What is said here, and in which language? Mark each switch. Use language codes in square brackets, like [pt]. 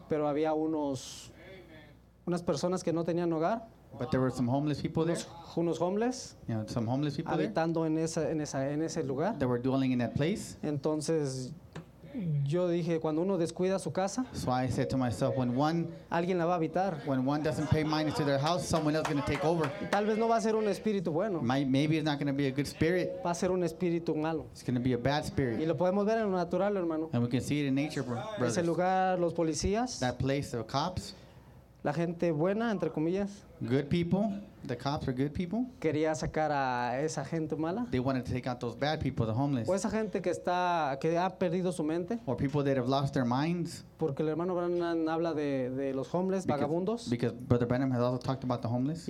[es] Pero había unas personas que no tenían hogar. [en] But there were some homeless people there. [es] Unos homeless. [en] You know, some homeless people [es] habitando [en] there. [es] En ese lugar. [en] They were dwelling in that place. [es] Entonces, yo dije, cuando uno descuida su casa. [en] So I said to myself, when one. [es] Alguien la va a habitar. [en] When one doesn't pay mind to their house, someone else is going to take over. [es] Tal vez no va a ser un espíritu bueno. [en] Maybe it's not going to be a good spirit. [es] Va a ser un espíritu malo. [en] It's going to be a bad spirit. [es] Y lo podemos ver en lo natural, hermano. [en] And we can see it in nature, brothers. [es] Ese lugar, los policías. [en] That place, the cops. [es] La gente buena, entre comillas. [en] Good people. The cops are good people. [es] Quería sacar a esa gente mala. [en] They wanted to take out those bad people, the homeless. [es] O esa gente que ha perdido su mente. [en] Or people that have lost their minds. [es] Porque el hermano Branham habla de los homeless, vagabundos. [en] Because Brother Branham has also talked about the homeless.